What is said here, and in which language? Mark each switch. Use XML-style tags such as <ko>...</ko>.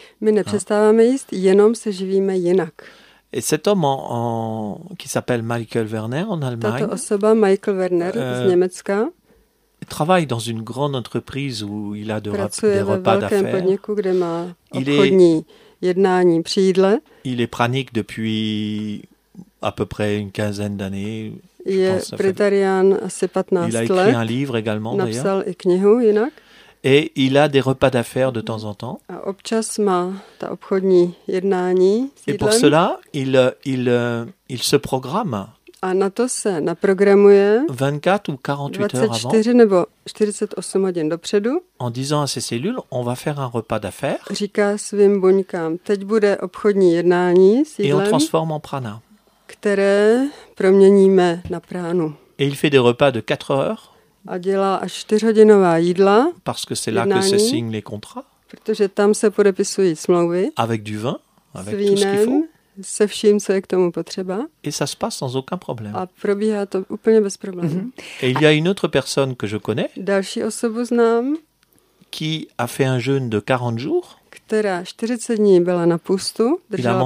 <cs>My nepřestáváme jíst, jenom se živíme jinak.</cs> <fr>Et cet homme qui s'appelle Michael Werner en Allemagne.</fr> <cs>Tato osoba Michael Werner z Německa.</cs> <fr>Travaille dans une grande entreprise où il a des repas d'affaires.</fr> <cs>Podniku, kde má obchodní jednání při jídle.</cs> <fr>Il est pranique depuis à peu près une quinzaine d'années.</fr> <cs>Je bretarián asi 15</cs> <fr>il a</fr> <cs>let.</cs> <fr>Un livre également,</fr> <cs>napsal i knihu jinak.</cs> <fr>Et il a des repas d'affaires de temps en temps.</fr> <cs>A občas má ta obchodní jednání s jídlem.</cs> <fr>Et pour cela, il se programme.</fr> <cs>A na to se naprogramuje</cs> <fr>24 ou 48 heures avant.</fr> <cs>24 nebo 48 hodin dopředu.</cs> <fr>En disant à ses cellules, on va faire un repas d'affaires.</fr> <cs>Říká svým buňkám, teď bude obchodní jednání s jídlem.</cs> <fr>Et on transforme en prana.</fr> <cs>Které proměníme na pránu.</cs> <fr>Et il fait des repas de 4 heures.</fr> <cs>A dělá až 4hodinová jídla.</cs> <fr>Parce que c'est là que se signent les contrats.</fr> <cs>Protože tam se podepisují smlouvy.</cs> <fr>Avec du vin, avec</fr> <cs>s vínem,</cs> <fr>tout ce qu'il faut.</fr> <cs>se vším, co je k tomu potřeba.</cs> <fr>Et ça se passe sans aucun problème.</fr> <cs>A probíhá to úplně bez problémů. Mm-hmm.</cs> <fr>Et il y a une autre personne que je connais.</fr> <cs>Další osobu znám.</cs> <fr>Qui a fait un jeûne de 40 jours.</fr> <cs>Která 40 dní byla na půstu, držela</cs>